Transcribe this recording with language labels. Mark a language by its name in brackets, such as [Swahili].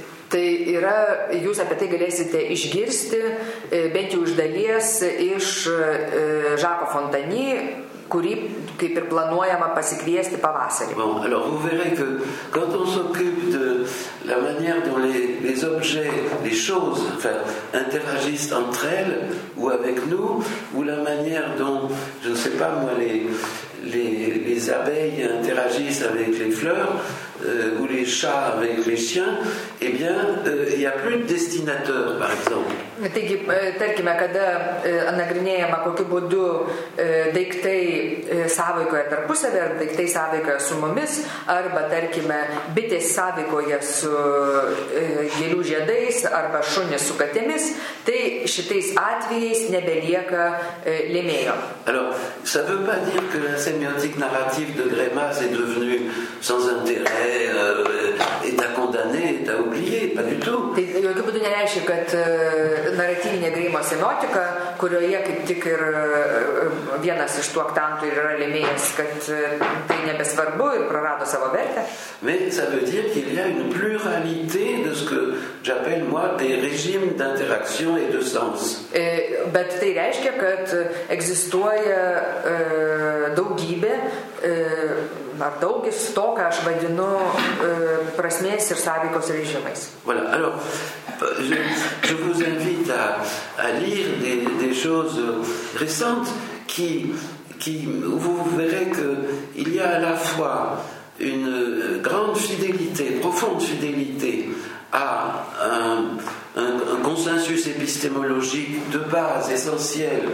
[Lithuanian] Tai yra, jūs apie tai galėsite išgirsti, bent jau iš dalies, iš Žako Fontani, kurį kaip ir planuojama pasikviesti pavasarį. [French] Bon, alors vous verrez que quand on s'occupe de la manière dont les objets, les choses, enfin, interagissent entre elles ou avec nous, ou la manière dont, je ne sais pas moi, les abeilles interagissent avec les fleurs ou les chats avec les chiens, eh bien, il n'y a plus de destinateur, par exemple. [Lithuanian] Taigi, tarkime, kada nagrinėjama, kokiu būdu daiktai sąveikoje tarpusavyje, arba daiktai sąveikoje su mumis, arba, tarkime, bitės sąveikoje su gėlių žiedais, arba šunis su katėmis, tai šitais atvejais nebelieka lėmėjo. [French] Alors, ça veut pas dire que la sémiotique narrative de Grémas est devenue sans intérêt, est à condamner, est à oublier, pas du tout. [Lithuanian] Tai jokiu būdu nereiškia, kad naratyvinė Greimo semiotika, kurioje kaip tik ir vienas iš tų aktantų yra lėmėjęs, kad tai nebesvarbu ir prarado savo vertę. [French] Mais ça veut dire qu'il y a une pluralité de ce que j'appelle moi des régimes d'interaction et de sens. [Lithuanian] Bet tai reiškia, kad egzistuoja daugybė ar daugis to, ką aš vadinu prasmės ir sąveikos režimais. [French] Voilà, alors je vous invite à lire des choses récentes qui vous verrez que il y a à la fois une grande fidélité, profonde fidélité à un consensus épistémologique de base essentiel.